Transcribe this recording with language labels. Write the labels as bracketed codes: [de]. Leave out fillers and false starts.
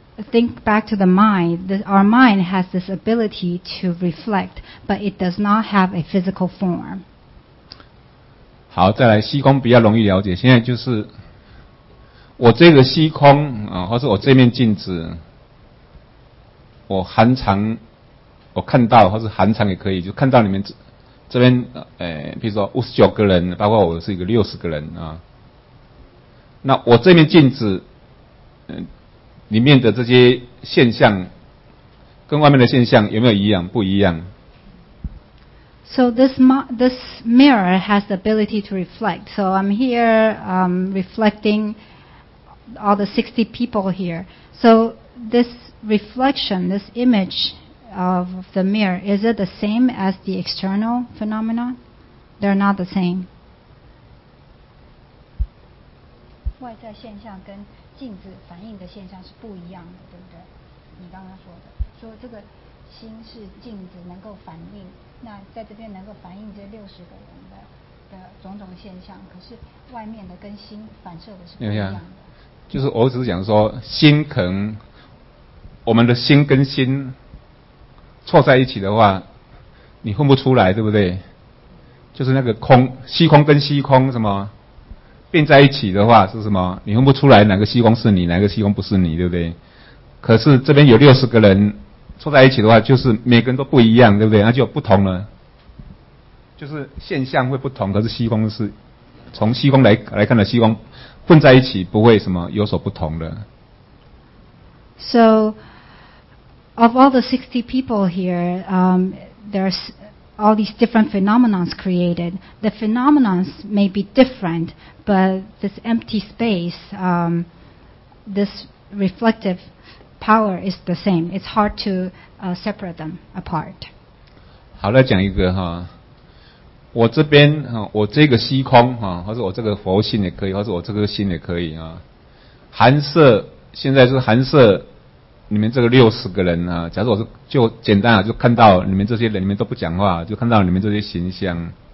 [en] Think back to the mind. Our mind has this ability to reflect, but it does not have a physical form. [zh] 好，再来虚空比较容易了解。现在就是我这个虚空啊，或是我这面镜子，我含藏，我看到，或是含藏也可以，就看到里面。这边，比如说59个人，包括我是一个60个人啊。那我这面镜子，里面的这些现象，跟外面的现象有没有一样？不一样。 [en] So this mirror has the ability to reflect. So I'm here, reflecting all the 60 people here. So this reflection, this image. Of the mirror, is it the same as the external phenomenon? They're not the same. [zh] 外在现象跟镜子反映的现象是不一样的，对不对？你刚刚说的，说这个心是镜子能够反映，那在这边能够反映这六十个人的种种现象，可是外面的跟心反射的是不一样的。就是我只是讲说，心可能我们的心跟心。凑在一起的话，你混不出来，对不对？就是那个空虚空跟虚空什么并在一起的话，是什么？你混不出来哪个虚空是你，哪个虚空不是你，对不对？可是这边有60个人凑在一起的话，就是每个人都不一样，对不对？那就有不同了，就是现象会不同。可是虚空是从虚空来看的，虚空混在一起不会什么有所不同的。 [en] So. Of all the 60 people here, there's all these different phenomenons created. The phenomenons may be different, but this empty space, this reflective power is the same. It's hard to separate them apart. [zh] 好，来讲一个哈，我这边哈，我这个虚空哈，或者我这个佛性也可以，或者我这个心也可以啊。含摄现在是含摄。你们这个六十个人啊，假如我是就简单啊，就看到你们这些人，你们都不讲话，就看到你们这些形象。